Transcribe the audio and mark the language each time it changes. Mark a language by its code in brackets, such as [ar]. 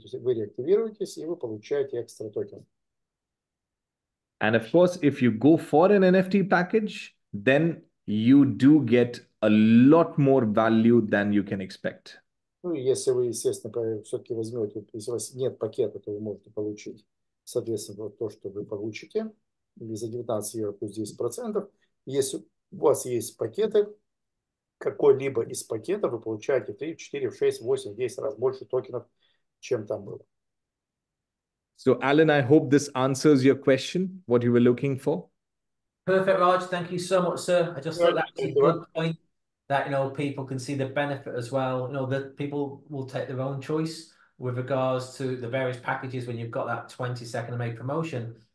[ru] То есть вы реактивируетесь, и вы получаете экстра токен. [en] And of course, if you go for an NFT package, then you do get a lot more value than you can expect. [ru] Ну, если вы, естественно, все-таки возьмете, если у вас нет пакета, то вы можете получить, соответственно, то, что вы получите, или за 19 евро плюс 10%. Если у вас есть пакеты, какой-либо из пакетов, вы получаете 3, 4, 6, 8, 10 раз больше токенов, чем там было. [en] So, Alan, I hope this answers your question, what you were looking for. Perfect, Raj. Thank you so much, sir. I just thought that was a good point that, you know, people can see the benefit as well. You know, that people will take their own choice with regards to the various packages when you've got that 20-second made promotion.